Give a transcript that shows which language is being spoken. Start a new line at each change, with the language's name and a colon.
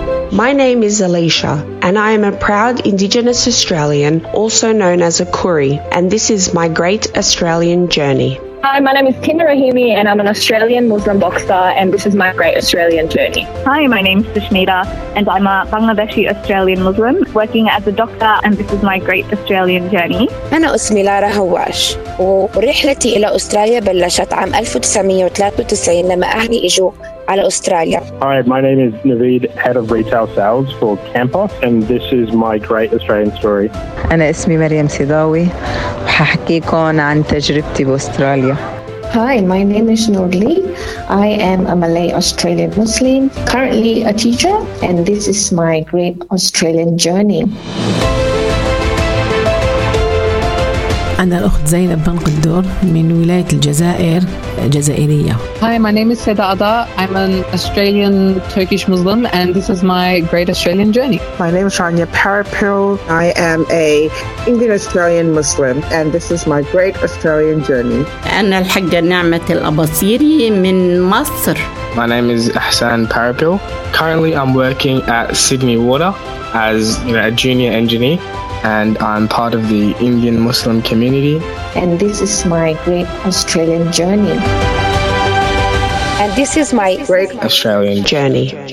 English: My name is Alicia, and I am a proud Indigenous Australian, also known as a Koori, and this is my great Australian journey. Hi, my name is Tina Rahimi, and I'm an Australian Muslim boxer, and this is my great Australian journey. Hi, my name is Sushmita, and I'm a Bangladeshi Australian Muslim working as a doctor, and this is my great Australian journey.
Arabic: أنا اسمي لارا هواش ورحلتي إلى أستراليا بلشت عام 1993 لما أهلي إجوا على أستراليا.
English: Hi, my name is Naveed, head of retail sales for Campos, and this is my great Australian story.
Arabic: أنا اسمي مريم سيداوي. حكيكم عن تجربتي بأستراليا.
English: Hi, my name is Nordli. I am a Malay Australian Muslim, currently a teacher, and this is my great Australian journey.
Arabic: أنا الأخت زينب بن قدور من ولاية الجزائر جزائرية.
English: Hi, my name is Seda Ada. I'm an Australian Turkish Muslim and this is my great Australian journey. My name is Shania Parapil. I am a Indian Australian Muslim and this is my great Australian journey.
Arabic: أنا الحجة نعمة الأباصيري من مصر.
English: My name is Ahsan Parapil. Currently I'm working at Sydney Water as a junior engineer. And I'm part of the Indian Muslim community. And this is my great Australian journey. And this is my great Australian journey.